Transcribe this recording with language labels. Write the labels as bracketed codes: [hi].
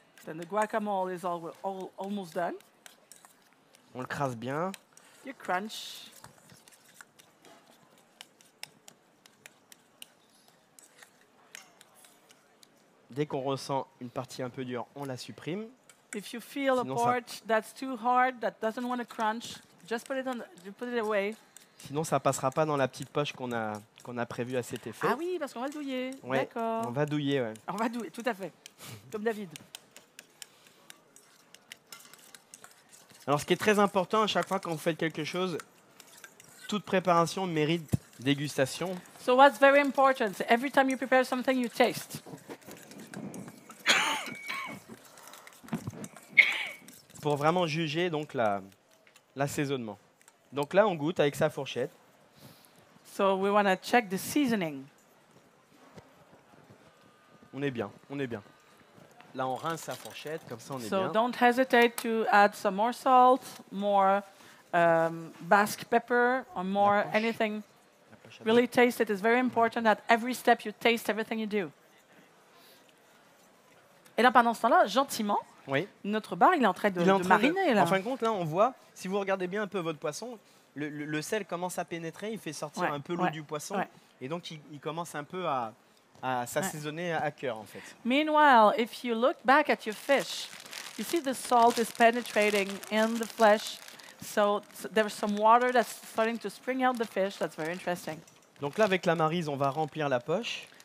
[en] Then the guacamole is almost done. [fr] On le crase bien. [en] You crunch. [fr] Dès qu'on ressent une partie un peu dure, on la supprime. [en] If you feel a part that's too hard, that doesn't want to crunch, just put it on, you put it away. [fr] Sinon, ça passera pas dans la petite poche qu'on a prévue à cet effet. Ah oui, parce qu'on va le douiller. Ouais. D'accord. On va douiller, ouais. On va douiller, tout à fait. Comme David. Alors, ce qui est très important à chaque fois quand vous faites quelque chose, toute préparation mérite dégustation. [en] So what's very important? Every time you prepare something, you taste. [fr] Pour vraiment juger donc l'assaisonnement. Donc là, on goûte avec sa fourchette. [en] So we want to check the seasoning. [fr] On est bien, on est bien. Là, on rince sa fourchette, comme ça, on est [en] so [fr] bien. [en] So don't hesitate to add some more salt, more Basque pepper, or more anything. Really taste it. It's very important that every step you taste everything you do. [fr] Et là, pendant ce temps-là, gentiment. Oui. Notre bar, il est en train de mariner. En fin de compte, là, on voit, si vous regardez bien un peu votre poisson, le sel commence à pénétrer, il fait sortir un peu l'eau du poisson. Ouais. Et donc, il commence un peu à s'assaisonner à cœur, en fait. [en] Meanwhile, if you look back at your fish, you see the salt is penetrating in the flesh. So there's some water that's starting to spring out the fish. That's very interesting. [fr] Donc là, avec la Maryse, on va remplir la poche.